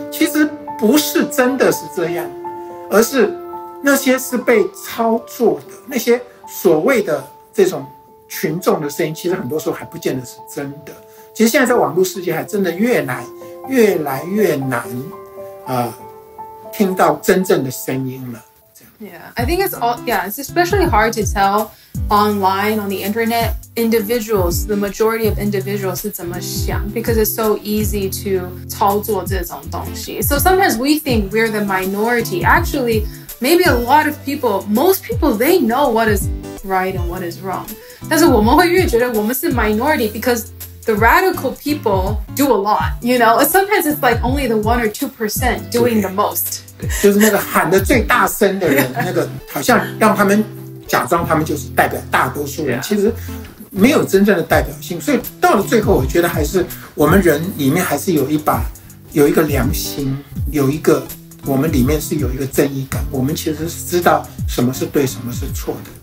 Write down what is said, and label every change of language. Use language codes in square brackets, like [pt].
[zh] 其实不是真的是这样，而是那些是被操作的，那些所谓的这种群众的声音其实很多时候还不见得是真的，其实现在在网络世界还真的越来越难、听到真正的声音了。 [en] Yeah, I think it's all, yeah, it's especially hard to tell online, on the internet, individuals, the majority of individuals [zh] 是怎么想, [en] because it's so easy to [zh] 操作这种东西. [en] So sometimes we think we're the minority. Actually, maybe a lot of people, most people, they know what is right and what is wrong. [zh] 但是我们会越觉得我们是 [en] minority, because the radical people do a lot, you know? Sometimes it's like only the 1 or 2% doing the most. [zh] 就是那个喊的最大声的人那个好像让他们假装他们就是代表大多数人，其实没有真正的代表性，所以到了最后我觉得还是我们人里面还是有一把有一个良心，有一个我们里面是有一个正义感，我们其实是知道什么是对什么是错的。